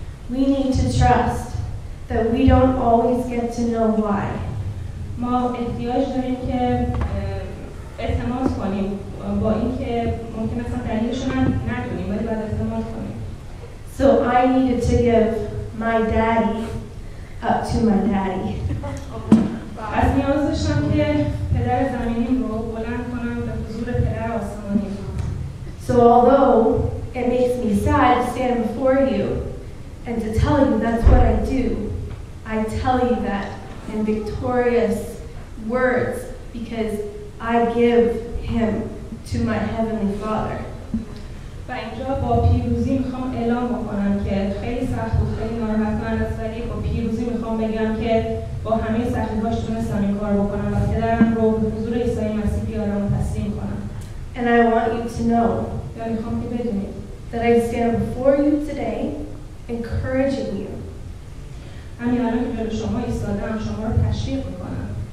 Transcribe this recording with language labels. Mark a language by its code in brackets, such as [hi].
[en] We need to trust that we don't always get to know why. [fa] ما احتیاج داریم که اعتماد کنیم با اینکه ممکن است دلیلش رو ندونیم ولی باید اعتماد کنیم. [en] So I needed to give my daddy up to my daddy. [fa] پس نیاز داشتم که پدر زمینیم رو بلند کنم به حضور پدر آسمانیم. [en] So although it makes me sad to stand before you and to tell you that's what I do, I tell you that in victorious words because I give him to my heavenly Father. [fa] و اینجا با پیروزی میخوام اعلام بکنم که خیلی سخت بود، خیلی ناراحت من از ولی با پیروزی میخوام بگم که با همه سختی هاش تونستم این کار بکنم و پدرم رو به حضور عیسی مسیح بیارم و تسلیم کنم. [en] And I want you to know [fa] میخوام که بدونید [en] that I stand before you today encouraging you. [fa] همین الان که جلوی شما ایستادم شما رو تشویق میکنم.